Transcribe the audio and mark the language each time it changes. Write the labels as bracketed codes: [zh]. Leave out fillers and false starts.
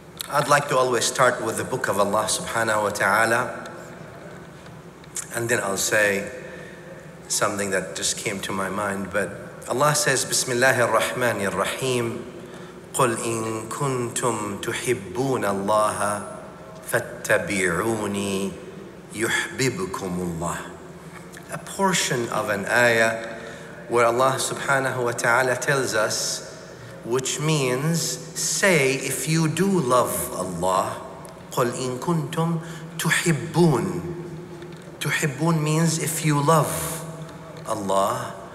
[en] I'd like to always start with the book of Allah subhanahu wa ta'ala, and then I'll say something that just came to my mind. But Allah says, [ar] Bismillah ar-Rahman ar-Rahim, قُلْ إِن كُنْتُمْ تُحِبُّونَ اللَّهَ فَاتَّبِعُونِي يُحْبِبُكُمُ اللَّهِ. [en] A portion of an ayah where Allah subhanahu wa ta'ala tells us, which means, say, if you do love Allah, [ar] قُلْ إِن كُنْتُمْ تُحِبُّونَ. [en] تُحِبُّونَ means if you love Allah.